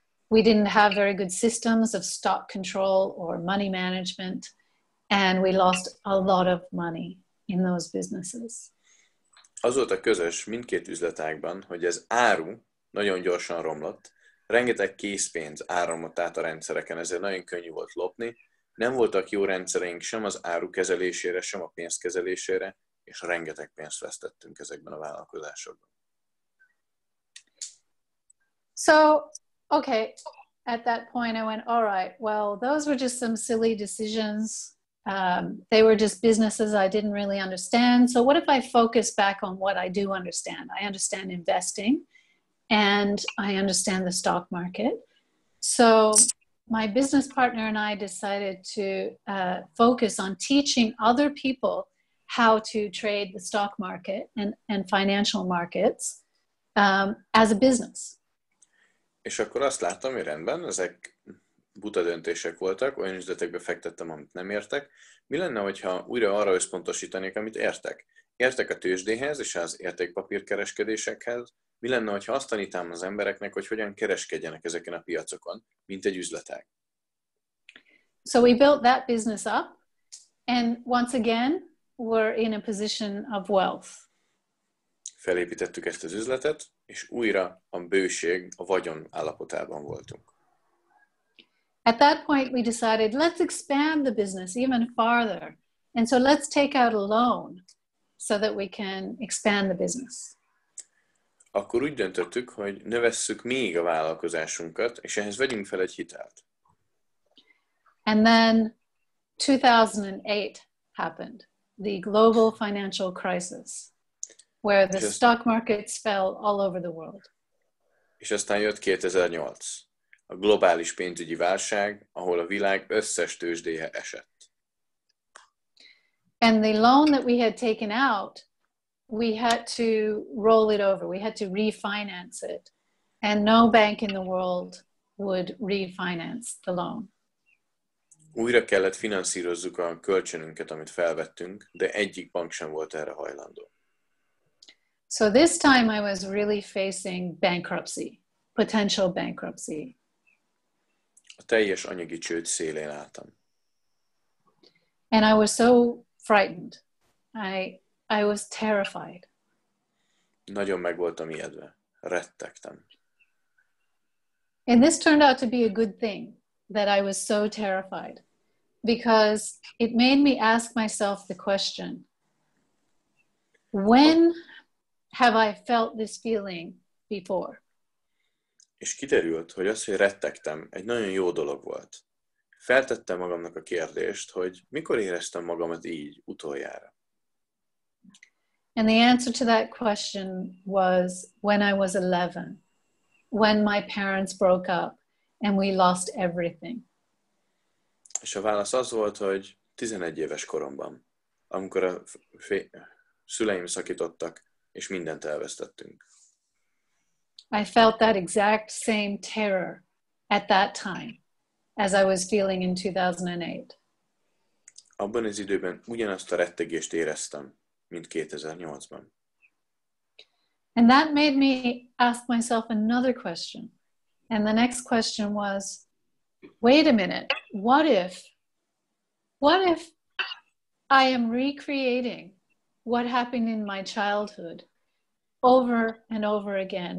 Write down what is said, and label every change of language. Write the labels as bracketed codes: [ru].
[en] We didn't have very good systems of stock control or money management, and we lost a lot of money in those businesses. [hu] Az volt a közös mindkét üzletágban, hogy az áru nagyon gyorsan romlott, rengeteg készpénz áramlott át a rendszereken, ezért nagyon könnyű volt lopni. Nem voltak jó rendszereink sem az áru kezelésére, sem a pénz kezelésére, és rengeteg pénzt vesztettünk ezekben a vállalkozásokban. [en] So, okay, at that point I went, all right, well, those were just some silly decisions. They were just businesses I didn't really understand. So what if I focus back on what I do understand? I understand investing, and I understand the stock market. So my business partner and I decided to focus on teaching other people how to trade the stock market and financial markets as a business. [hu] És akkor azt láttam, hogy rendben, ezek buta döntések voltak, olyan üzletekbe fektettem, amit nem értek. Mi lenne, hogyha újra arra összpontosítanék, amit értek? Értek a tőzsdéhez és az értékpapírkereskedésekhez. Mi lenne, hogyha azt tanítám az embereknek, hogy hogyan kereskedjenek ezeken a piacokon, mint egy üzletág? [en] So we built that business up, and once again, we're in a position of wealth. [hu] Felépítettük ezt az üzletet, és újra a bőség, a vagyon állapotában voltunk. [en] At that point we decided, let's expand the business even farther. And so let's take out a loan so that we can expand the business. [hu] Akkor úgy döntöttük, hogy növesszük még a vállalkozásunkat, és ehhez vegyünk fel egy hitelt. [en] And then 2008 happened. The global financial crisis, where the stock markets fell all over the world. [hu] És aztán jött 2008, a globális pénzügyi válság, ahol a világ összes tőzsdéje esett. [en] And the loan that we had taken out, we had to roll it over, we had to refinance it. And no bank in the world would refinance the loan. [hu] Újra kellett finanszírozzuk a kölcsönünket, amit felvettünk, de egyik bank sem volt erre hajlandó. [en] So this time I was really facing bankruptcy, potential bankruptcy. [hu] A teljes anyagi csőd szélén álltam. [en] And I was so frightened. I was terrified. [hu] Nagyon meg voltam ijedve. Rettegtem. [en] And this turned out to be a good thing that I was so terrified, because it made me ask myself the question, when have I felt this feeling before? [hu] És kiderült, hogy az, hogy rettegtem, egy nagyon jó dolog volt. Feltettem magamnak a kérdést, hogy mikor éreztem magamat így utoljára. [en] And the answer to that question was when I was 11. When my parents broke up and we lost everything. [hu] És a válasz az volt, hogy 11 éves koromban, amikor a szüleim szakítottak, és mindent elvesztettünk. [en] I felt that exact same terror at that time as I was feeling in 2008. [hu] Abban az időben ugyanazt a rettegést éreztem, mint 2008-ban. [en] And that made me ask myself another question. And the next question was, wait a minute, what if I am recreating what happened in my childhood over and over again?